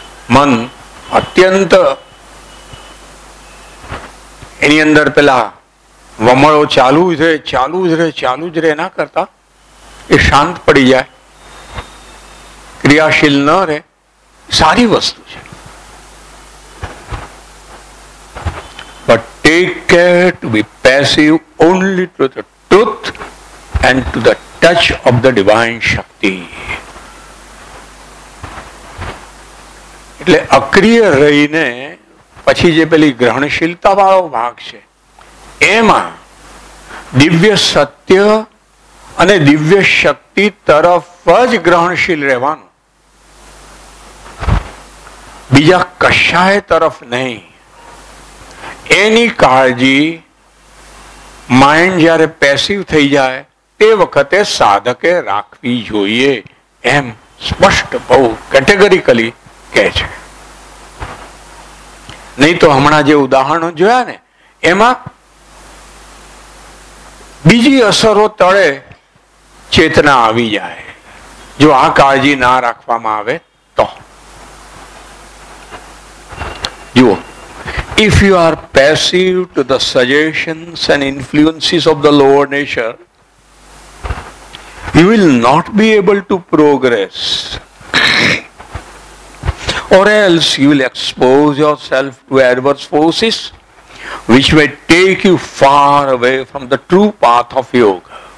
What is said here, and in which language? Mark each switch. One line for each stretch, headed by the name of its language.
Gujarati: મન અત્યંત એની અંદર પેલા વમળો ચાલુ જ રહે ના કરતા એ શાંત પડી જાય, ક્રિયાશીલ ન રહે, સારી વસ્તુ છે.
English: But take care to be passive only to the truth and to the touch of the divine shakti.
Gujarati: એટલે અક્રિય રહીને પછી જે પેલી ગ્રહણશીલતા વાળો ભાગ છે એમાં દિવ્ય સત્ય અને દિવ્ય શક્તિ તરફ જ ગ્રહણશીલ રહેવાનું, બીજા કશાય તરફ નહીં. એની કાળજી માઇન્ડ જ્યારે પેસિવ થઈ જાય તે વખતે સાધકે રાખવી જોઈએ એમ સ્પષ્ટ બહુ કેટેગરીકલી કહે છે. નહીં તો હમણાં જે ઉદાહરણો જોયા ને એમાં બીજી અસરો તળે ચેતના આવી જાય જો આ કાળજી ના રાખવામાં આવે તો.
English: જુઓ, if you are passive to the suggestions and influences of the lower nature, you will not be able to progress, or else you will expose yourself to adverse forces which may take you far away from the true path of yoga.